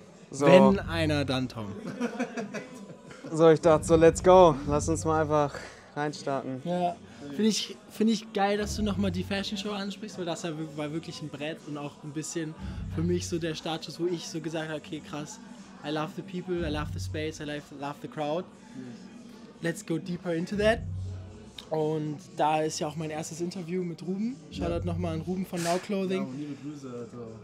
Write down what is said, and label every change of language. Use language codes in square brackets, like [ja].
[de] So. Wenn einer, dann Tom. So, ich dachte so, [en] let's go, [de] lass uns mal einfach reinstarten. Ja, finde ich geil, dass du nochmal die Fashion Show ansprichst, weil das war wirklich ein Brett und auch ein bisschen für mich so der Status, wo ich so gesagt habe, okay, krass. [en] I love the people, I love the space, I love the crowd. Let's go deeper into that. [de] Und da ist ja auch mein erstes Interview mit Ruben. Shoutout nochmal an Ruben von Now Clothing. Ja, und liebe Grüße, Alter.